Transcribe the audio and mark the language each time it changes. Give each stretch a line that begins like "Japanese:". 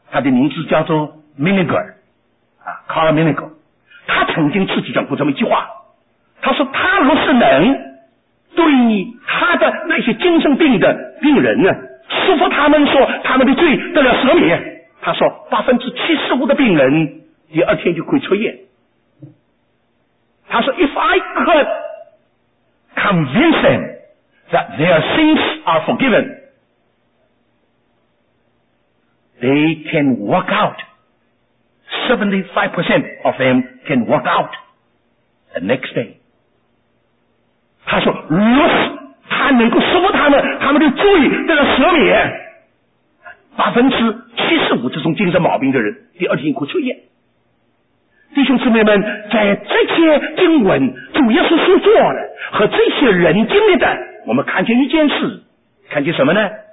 Chinese: 他的名字叫做 Miniger， 啊 ，Carl Miniger， 他曾经自己讲过这么一句话，他说他若是能对他的那些精神病的病人呢，师傅他们说他们的罪得了赦免，他说75%的病人第二天就可以出院。他说
English: If I could convince them that their sins are forgiven, they can walk out. 75% of them can walk out the next day.
Chinese: 他说如果他能够说服他们，他们的罪得了赦免，75%这种精神毛病的人第二天可以出院。弟兄姊妹们，在这些经文主耶稣所做的和这些人经历的，我们看见一件事，看见什么呢？